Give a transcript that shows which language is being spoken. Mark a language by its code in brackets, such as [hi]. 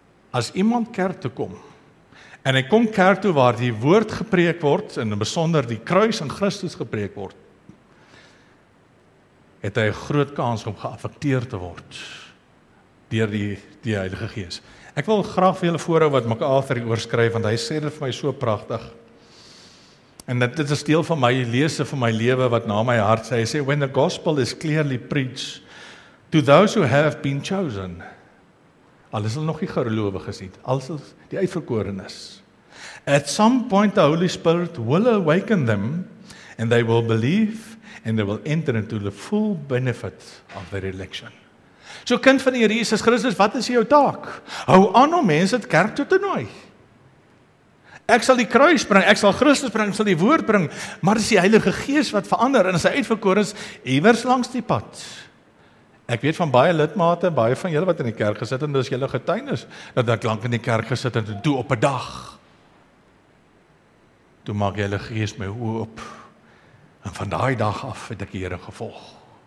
[af] As iemand kerk toe kom, en hy kom kerk toe waar die woord gepreek word, en in besonder die kruis in Christus gepreek word, het hy 'n groot kans om geaffekteer te word deur die Heilige Gees. Ek wil graag vir julle voorhou wat MacArthur oorskryf, want hy sê dit vir my so prachtig. En dit is deel van my lese van my lewe wat na my hart sê. Hy sê, [en] when the gospel is clearly preached to those who have been chosen, [af] al is hulle nog nie gelowig is nie, al is hulle die uitverkorenes, [en] at some point the Holy Spirit will awaken them and they will believe and they will enter into the full benefit of their election. [af] So kind van die Here Jesus Christus, wat is jou taak? Hou aan om mense het kerk toe te nooi. Ek sal die kruis bring, ek sal Christus bring, ek sal die woord bring, maar dis die Heilige Gees wat verander en as hy uitverkoor is, iewers langs die pad. Ek weet van baie lidmate, baie van julle wat in die kerk gesit en dis julle getuienis, dat ek lank in die kerk gesit en toe op 'n dag, toe maak die Heilige Gees my oë op en van daai dag af het ek die Here gevolg.